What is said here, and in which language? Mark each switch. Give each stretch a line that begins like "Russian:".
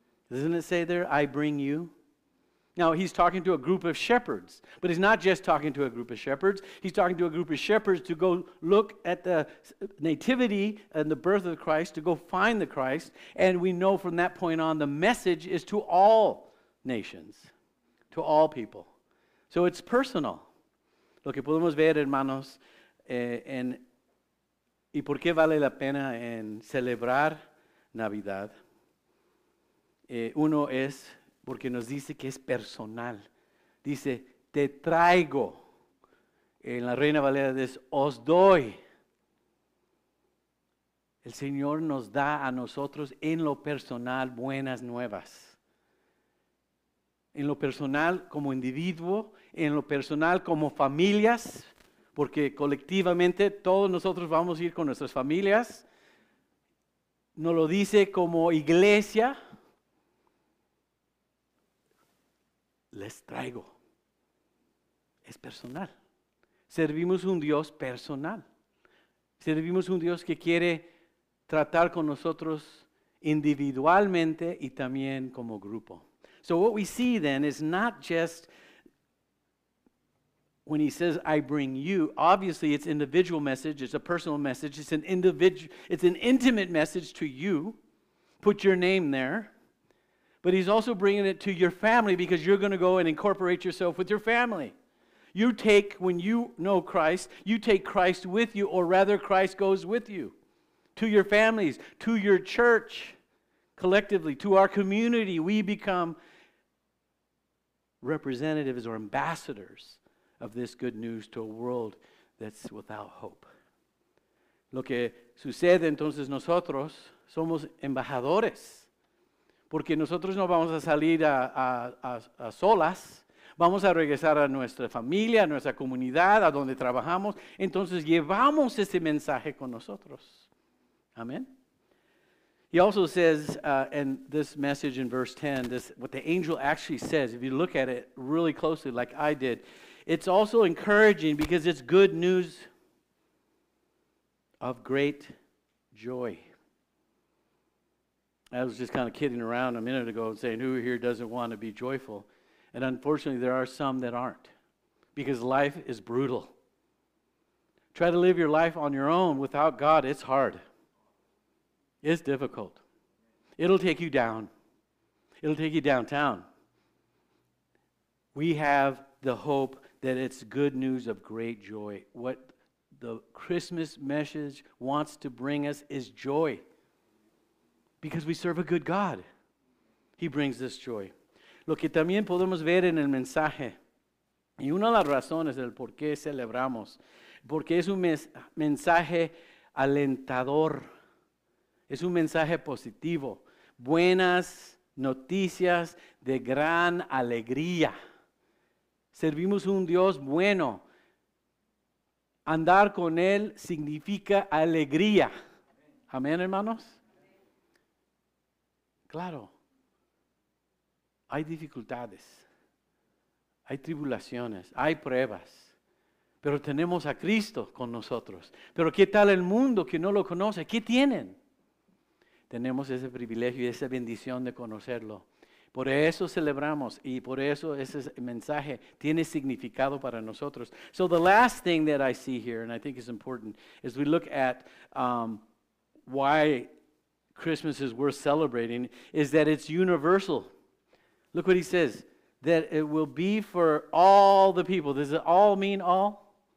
English: Doesn't it say there, I bring you? Now, he's talking to a group of shepherds, but he's not just talking to a group of shepherds. He's talking to a group of shepherds to go look at the nativity and the birth of Christ, to go find the Christ. And we know from that point on, the message is to all nations, to all people. So it's personal.
Spanish: Lo que podemos ver, hermanos, y por qué vale la pena en celebrar Navidad, uno es porque nos dice que es personal. Dice, te traigo. En la Reina Valera dice, os doy. El Señor nos da a nosotros en lo personal buenas nuevas. En lo personal como individuo, en lo personal como familias, porque colectivamente todos nosotros vamos a ir con nuestras familias. Nos lo dice como iglesia. Les traigo. Es personal. Servimos un Dios personal. Servimos un Dios que quiere tratar con nosotros individualmente y también como grupo.
English: So what we see then is not just when he says, I bring you. Obviously, it's individual message. It's a personal message. It's an intimate message to you. Put your name there. But he's also bringing it to your family because you're going to go and incorporate yourself with your family. You take, when you know Christ, you take Christ with you, or rather Christ goes with you to your families, to your church, collectively, to our community. We become representatives or ambassadors of this good news to a world that's without hope.
Spanish: Lo que sucede entonces nosotros somos embajadores. Porque nosotros no vamos a salir a solas. Vamos a regresar a nuestra familia, a nuestra comunidad, a donde trabajamos. Entonces llevamos ese mensaje con nosotros. Amén.
English: He also says in this message in verse 10, this, what the angel actually says, if you look at it really closely like I did, it's also encouraging because it's good news of great joy. I was just kind of kidding around a minute ago and saying, who here doesn't want to be joyful? And unfortunately, there are some that aren't because life is brutal. Try to live your life on your own without God. It's hard. It's difficult. It'll take you down. It'll take you downtown. We have the hope that it's good news of great joy. What the Christmas message wants to bring us is joy. Because we serve a good God. He brings this joy.
Spanish: Lo que también podemos ver en el mensaje, y una de las razones del por qué celebramos, porque es un mensaje alentador, es un mensaje positivo, buenas noticias de gran alegría. Servimos un Dios bueno. Andar con Él significa alegría. ¿Amén, hermanos? Claro. Hay dificultades. Hay tribulaciones. Hay pruebas. Pero tenemos a Cristo con nosotros. Pero ¿qué tal el mundo que no lo conoce? ¿Qué tienen? Tenemos ese privilegio y esa bendición de conocerlo. Por eso celebramos y por eso ese mensaje tiene significado para nosotros.
English: So the last thing that I see here, and I think is important, is we look at why Christmas is worth celebrating, is that it's universal. Look what he says, that it will be for all the people. Does it all mean all?